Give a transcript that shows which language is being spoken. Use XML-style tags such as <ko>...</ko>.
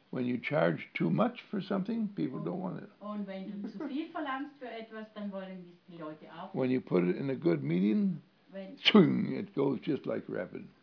<en>When you charge too much for something, people don't want it.</en> <de>Und wenn du zu viel verlangst für etwas, dann wollen es die Leute auch.</de> <en>When you put it in a good medium, zwing, it goes just like rapid.</en>